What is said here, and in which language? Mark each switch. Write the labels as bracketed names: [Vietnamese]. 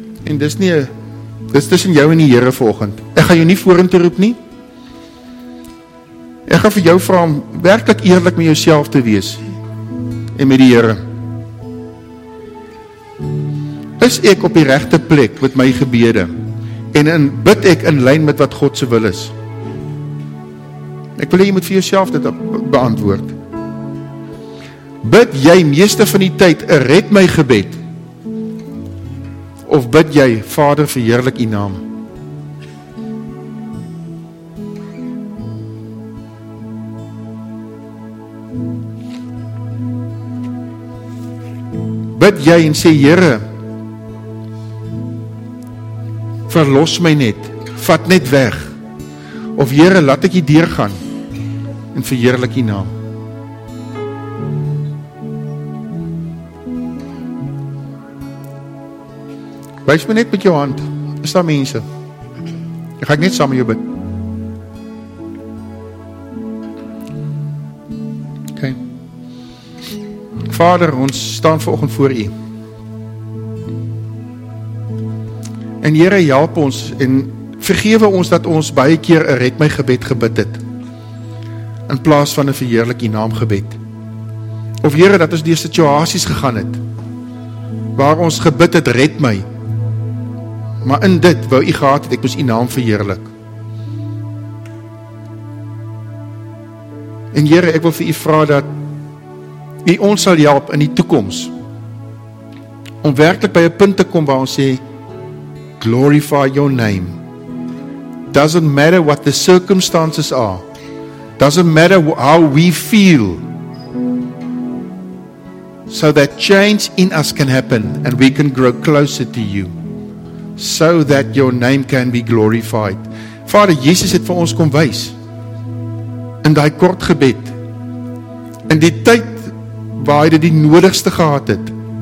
[Afrikaans] En dis nie, dis tussen jou en die Here vanoggend. Ek gaan jou nie vorentoe roep nie. Ek gaan vir jou vra om werklik eerlik met jouself te wees en met die Here. Is ek op die regte plek met my gebede? En bid ek in lyn met wat God se wil is? Ek wil hê jy moet vir jouself dit beantwoord. Bid jy meeste van die tyd 'n red my gebed? Of bid jy, Vader, verheerlik U naam? Bid jy en sê, Here, verlos my net, vat net weg. Of Here, laat ek U deurgaan en verheerlik U naam. Wees my net met jou hand, is daar mense? Dan ga ek net saam met jou bid. Okay. Vader, ons staan vanoggend voor U. En Here, help ons en vergewe ons dat ons baie keer 'n red my gebed gebid het, in plaas van 'n verheerlik U naam gebed. Of Here, dat ons die situasies gegaan het, waar ons gebid het, red my, maar in dit wou U gehad het, ek moes U naam verheerlik. En Here, ek wil vir U vra dat U ons sal help in die toekoms om werklik by 'n punt te kom waar ons sê, [English] glorify your name. Doesn't matter what the circumstances are. Doesn't matter how we feel. So that change in us can happen and we can grow closer to You. So that your name can be glorified. [Afrikaans] Vader, Jesus het vir ons kom wys in die kort gebed, in die tyd waar hy dit die nodigste gehad het.